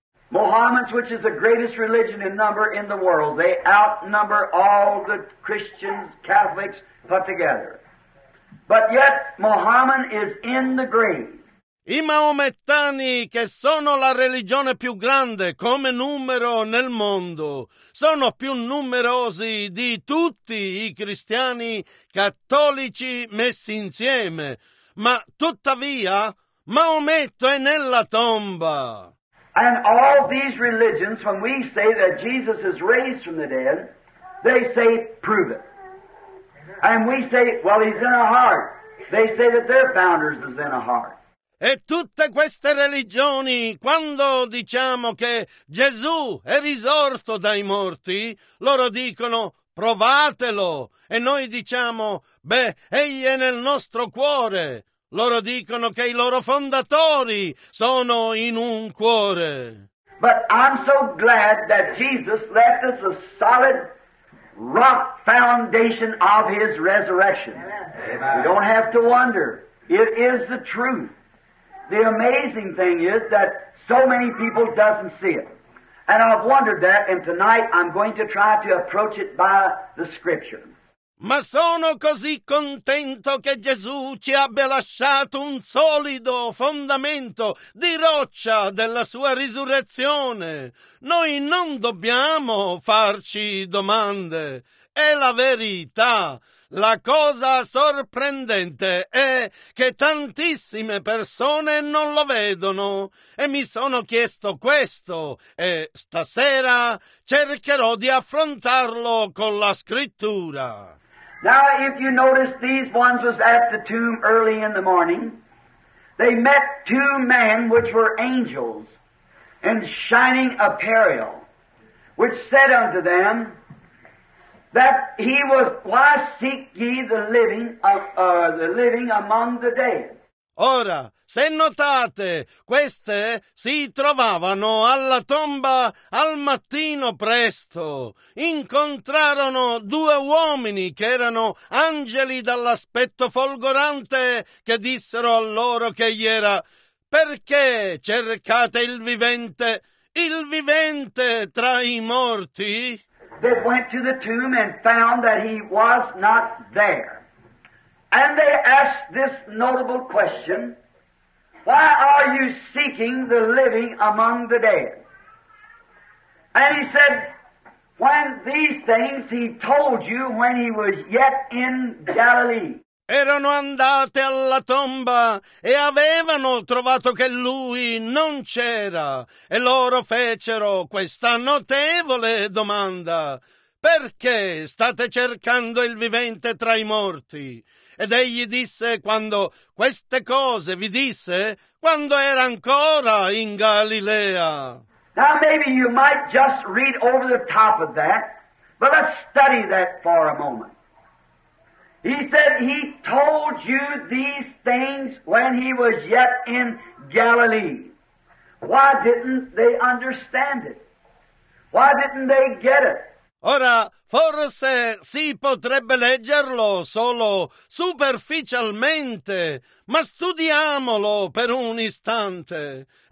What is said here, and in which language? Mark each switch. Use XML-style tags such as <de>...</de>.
<en>Mohammed's, which is the greatest religion in number in the world, they outnumber all the Christians, Catholics put together. But yet Mohammed is in the grave.</en> <it>I maomettani, che sono la religione più grande come numero nel mondo, sono più numerosi di tutti i cristiani cattolici messi insieme. Ma tuttavia, Maometto è nella tomba.</it> <en>And all these religions, when we say that Jesus is raised from the dead, they say, prove it. And we say, well, he's in a heart. They say that their founders is in a heart.</en> <it>E tutte queste religioni, quando diciamo che Gesù è risorto dai morti, loro dicono, provatelo. E noi diciamo, beh, egli è nel nostro cuore. Loro dicono che i loro fondatori sono in un cuore.</it> <en>But I'm so glad that Jesus left us a solid rock foundation of his resurrection. Amen. We don't have to wonder. It is the truth. The amazing thing is that so many people doesn't see it. And I've wondered that, and tonight I'm going to try to approach it by the Scripture.</en> <it>Ma sono così contento che Gesù ci abbia lasciato un solido fondamento di roccia della sua risurrezione. Noi non dobbiamo farci domande. È la verità. La cosa sorprendente è che tantissime persone non lo vedono. E mi sono chiesto questo, e stasera cercherò di affrontarlo con la Scrittura.</it> <en>Now, if you notice, these ones was at the tomb early in the morning. They met two men which were angels in shining apparel, which said unto them that he was, why seek ye the living among the dead?</en> <it>Ora, se notate, queste si trovavano alla tomba al mattino presto. Incontrarono due uomini che erano angeli dall'aspetto folgorante, che dissero a loro che gli era: perché cercate il vivente? Il vivente tra i morti?</it> <en>They went to the tomb and found that he was not there. And they asked this notable question, why are you seeking the living among the dead? And he said, when these things he told you when he was yet in Galilee.</en> <it>Erano andate alla tomba e avevano trovato che lui non c'era. E loro fecero questa notevole domanda: perché state cercando il vivente tra i morti? Ed egli disse, quando queste cose vi disse, quando era ancora in Galilea.</it> <en>Now maybe you might just read over the top of that, but let's study that for a moment. He said he told you these things when he was yet in Galilee. Why didn't they understand it? Why didn't they get it?</en> <it>Ora, forse si potrebbe leggerlo solo superficialmente, ma studiamolo per un istante.</it>